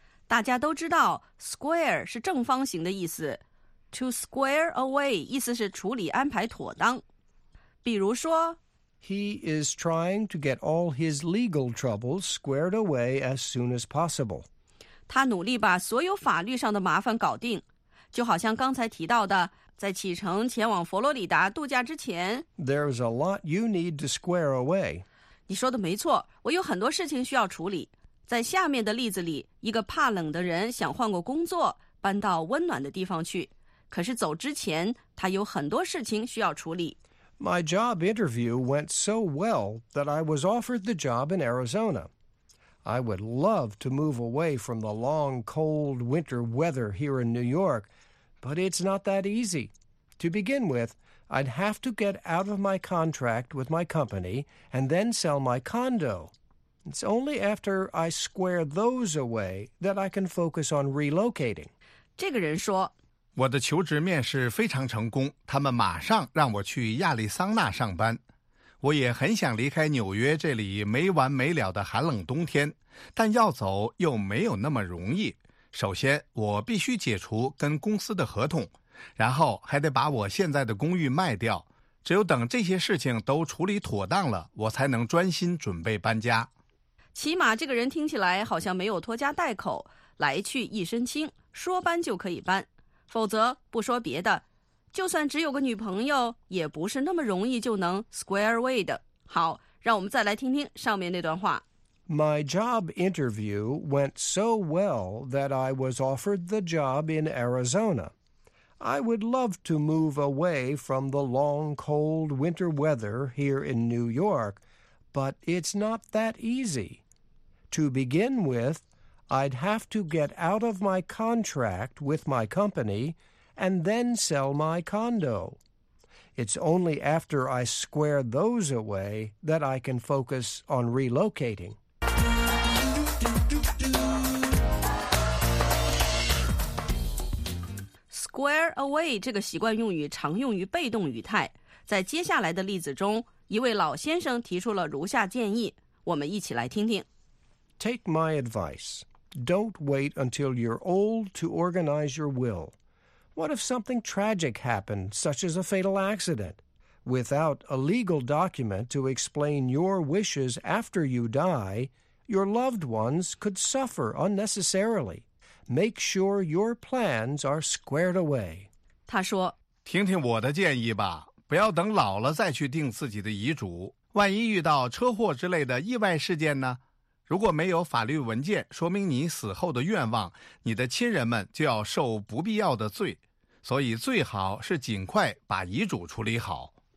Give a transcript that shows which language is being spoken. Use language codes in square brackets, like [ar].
[zh] 大家都知道 square 是正方形的意思。 [en] To square away [zh] 意思是处理安排妥当。比如说 [en] He is trying to get all his legal troubles squared away as soon as possible. [zh] 他努力把所有法律上的麻烦搞定。就好像刚才提到的，在启程前往佛罗里达度假之前 [en] There's a lot you need to square away. [zh] 你说的没错，我有很多事情需要处理。在下面的例子里，一个怕冷的人想换个工作，搬到温暖的地方去。可是走之前，他有很多事情需要处理。 [en] My job interview went so well that I was offered the job in Arizona. I would love to move away from the long, cold winter weather here in New York. But it's not that easy. To begin with, I'd have to get out of my contract with my company and then sell my condo. It's only after I square those away that I can focus on relocating. [zh] 这个人说，我的求职面试非常成功，他们马上让我去亚利桑那上班。我也很想离开纽约这里没完没了的寒冷冬天，但要走又没有那么容易。首先我必须解除跟公司的合同，然后还得把我现在的公寓卖掉。只有等这些事情都处理妥当了，我才能专心准备搬家。起码这个人听起来好像没有拖家带口，来去一身轻，说搬就可以搬。否则不说别的，就算只有个女朋友也不是那么容易就能 [en] square away [zh] 的。好，让我们再来听听上面那段话。 [en] My job interview went so well that I was offered the job in Arizona. I would love to move away from the long, cold winter weather here in New York, but it's not that easy. To begin with, I'd have to get out of my contract with my company and then sell my condo. It's only after I square those away that I can focus on relocating. Square away [zh] 这个习惯用语常用于被动语态。在接下来的例子中，一位老先生提出了如下建议，我们一起来听听。 [en] Take my advice. Don't wait until you're old to organize your will. What if something tragic happened, such as a fatal accident? Without a legal document to explain your wishes after you die, your loved ones could suffer unnecessarily. Make sure your plans are squared away. [zh] 他说，听听我的建议吧，不要等老了再去定自己的遗嘱。万一遇到车祸之类的意外事件呢？如果没有法律文件说明你死后的愿望，你的亲人们就要受不必要的罪，所以最好是尽快把遗嘱处理好。